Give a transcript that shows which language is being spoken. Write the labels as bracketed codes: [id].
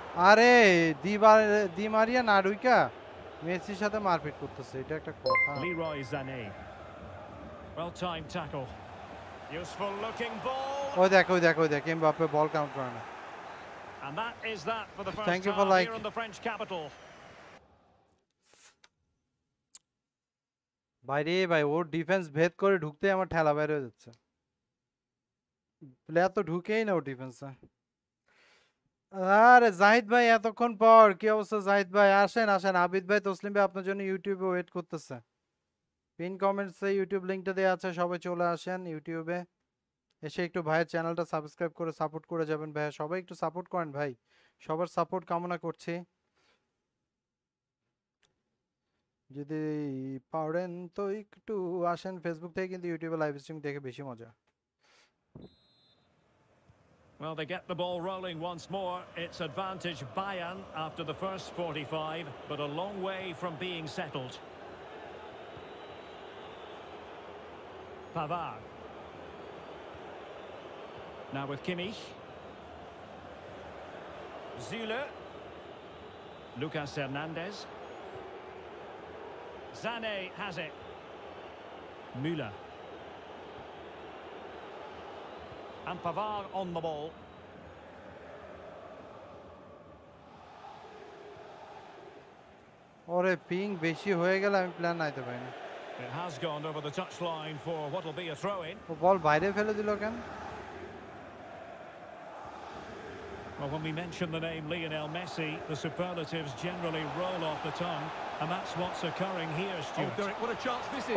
[bn] আরে দি মারিয়া নাডুইকা মেসির সাথে মারপিট করতেছে এটা একটা কথা [en] Leroy জানে well time tackle useful looking ball [bn] ওই দেখো ওই দেখো ওই দেখো এমবাপ্পে বল কাউন্ট করে না [en] and that is that for the first thank you for like on the french capital [bn] ভাই রে ভাই ওর ডিফেন্স ভেদ করে ঢুকতে আমার ঠেলা বাইরে হয়ে যাচ্ছে প্লেয়ার তো ঢুকেই না ও ডিফেন্সে। আরে জাহিদ ভাই এতক্ষণ পর, কি অবস্থা জাহিদ ভাই? আসেন আসেন, আবিদ ভাই তসলিম ভাই আপনার জন্য ইউটিউবে ওয়েট করতেছে। পিন কমেন্টসে ইউটিউব লিঙ্কটা দেওয়া আছে, সবাই চলে আসেন ইউটিউবে, এসে একটু ভাইয়ের চ্যানেলটা সাবস্ক্রাইব করে সাপোর্ট করে যাবেন ভাই। সবাই একটু সাপোর্ট করেন ভাই, সবার সাপোর্ট কামনা করছি। যদি পারেন তো একটু আসেন ফেসবুক থেকে, কিন্তু ইউটিউবে লাইভ স্ট্রিম দেখে বেশি মজা। [en] Well, they get the ball rolling once more. It's advantage Bayern after the first 45, but a long way from being settled. Pavard. Now with Kimmich. Süle. Lucas Hernandez. Sané has it. Müller. And Pavard on the ball. [bn] ওরে ping বেশি হয়ে গেলে আমি plan নাইতে পারি না। [en] It has gone over the touch line for what will be a throw in. [bn] ও বল বাইরে ফেলে দিল কেন? [en] Well, when we mention the name Lionel Messi, the superlatives generally roll off the tongue, and that's what's occurring here, Stuart. Oh, Derek, what a chance this is.